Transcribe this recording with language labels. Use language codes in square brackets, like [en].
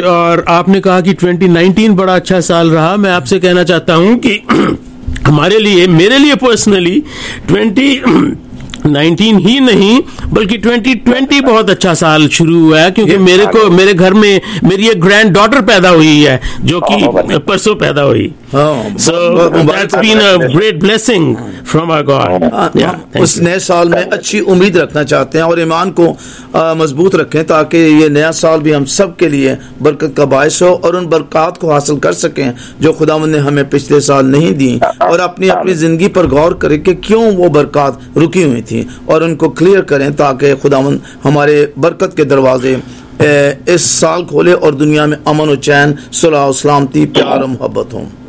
[ur] اور آپ نے کہا کہ 2019 بڑا اچھا سال رہا, میں آپ سے کہنا چاہتا ہوں کہ ہمارے لیے, میرے لیے پرسنلی 2019 ہی نہیں بلکہ 2020 بہت اچھا سال شروع ہوا ہے, کیونکہ میرے کو میرے گھر میں میری ایک گرینڈ ڈاٹر پیدا ہوئی ہے جو کہ پرسوں پیدا ہوئی. [en] So that's been a great blessing from our God. [ur] اس نئے سال میں اچھی امید رکھنا چاہتے ہیں اور ایمان کو مضبوط رکھیں تاکہ یہ نیا سال بھی ہم سب کے لیے برکت کا باعث ہو اور ان برکات کو حاصل کر سکیں جو خداوند نے ہمیں پچھلے سال نہیں دی, اور اپنی اپنی زندگی پر غور کریں کہ کیوں وہ برکات رکی ہوئی تھی اور ان کو کلیئر کریں تاکہ خداوند ہمارے برکت کے دروازے اس سال کھولے اور دنیا میں امن و چین, صلح و سلامتی, پیار و محبت ہوں.